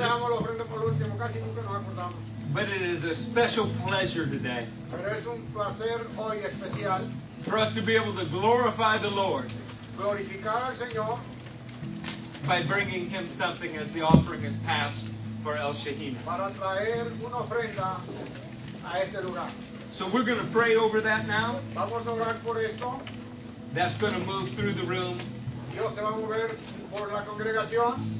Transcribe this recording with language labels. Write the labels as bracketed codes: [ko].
[es] la ofrenda por último, casi nunca nos acordamos. [en] But it is a special pleasure today. [es] Pero es un placer hoy especial. [en] For us to be able to glorify the Lord. [es] Glorificar al Señor. [en] By bringing him something as the offering is passed for El Shehina. [es] Para traer una ofrenda a este lugar. [en] So we're going to pray over that now. [es] Vamos a orar por esto. [en] That's going to move through the room. [es] Dios se va a mover por la congregación.